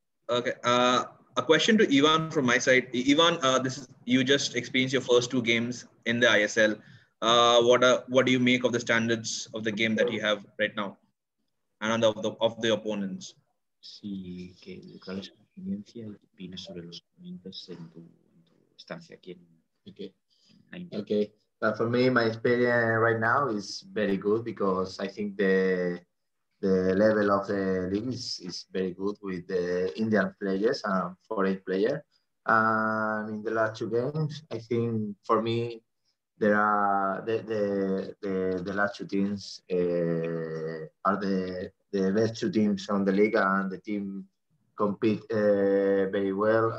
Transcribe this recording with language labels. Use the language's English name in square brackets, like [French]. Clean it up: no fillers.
[English] Okay. A question to Ivan from my side. Ivan, you just experienced your first two games in the ISL. What do you make of the standards of the game that you have right now, and of the opponents? [Spanish] Sí, que la experiencia opina sobre los momentos en tu estancia aquí. [English] Okay. But for me, my experience right now is very good because I think the level of the league is very good with the Indian players and foreign players. And in the last two games, I think for me, there are the last two teams are the best two teams on the league, and the team compete very well.